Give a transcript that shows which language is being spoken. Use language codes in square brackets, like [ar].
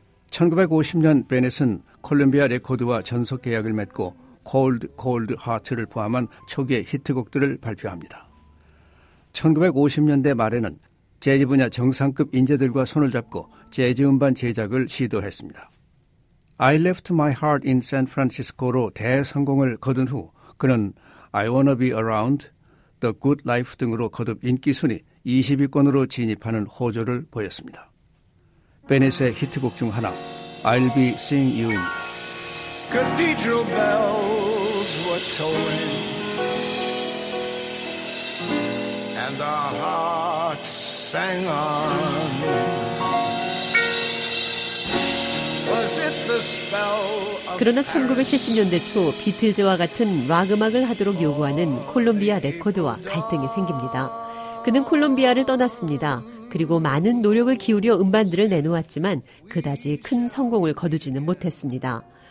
[ko] 1950년 베넷은 콜롬비아 레코드와 전속 계약을 맺고 Cold Cold Heart를 포함한 초기의 히트곡들을 발표합니다. 1950년대 말에는 재즈 분야 정상급 인재들과 손을 잡고 재즈 음반 제작을 시도했습니다. I left my heart in San Francisco로 대성공을 거둔 후 그는 I Wanna Be Around, The Good Life 등으로 거듭 인기순위 20위권으로 진입하는 호조를 보였습니다. 베넷의 히트곡 중 하나 I'll be seeing you입니다. [en] Cathedral bells were tolling And our hearts sang on Was it the spell [ko] 그러나 1970년대 초 비틀즈와 같은 락 음악을 하도록 요구하는 콜롬비아 레코드와 갈등이 생깁니다. 그는 콜롬비아를 떠났습니다. 그리고 많은 노력을 기울여 음반들을 내놓았지만 그다지 큰 성공을 거두지는 못했습니다.